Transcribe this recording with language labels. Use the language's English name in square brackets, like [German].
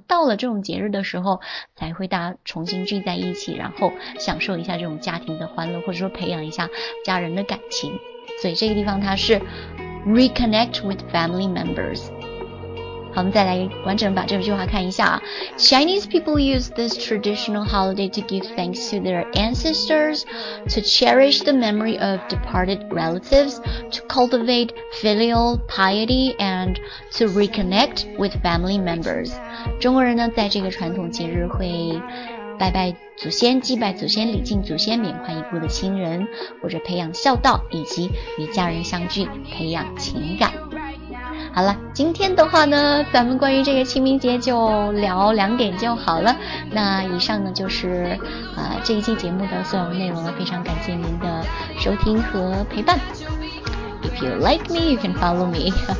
[Chinese] 到了这种节日的时候，才会大家重新聚在一起，然后享受一下这种家庭的欢乐，或者说培养一下家人的感情。所以这个地方它是 [English] reconnect with family members。 [Chinese] 好，我们再来完整把这句话看一下啊。 [English] Chinese people use this traditional holiday to give thanks to their ancestors, to cherish the memory of departed relatives, to cultivate filial piety, and to reconnect with family members. [Chinese] 中国人呢，在这个传统节日会拜拜祖先，祭拜祖先，礼敬祖先，缅怀已故的亲人，或者培养孝道，以及与家人相聚，培养情感。好了，今天的话呢，咱们关于这个清明节就聊两点就好了。那以上呢就是这一期节目的所有内容了，非常感谢您的收听和陪伴。 [English] If you like me, you can follow me.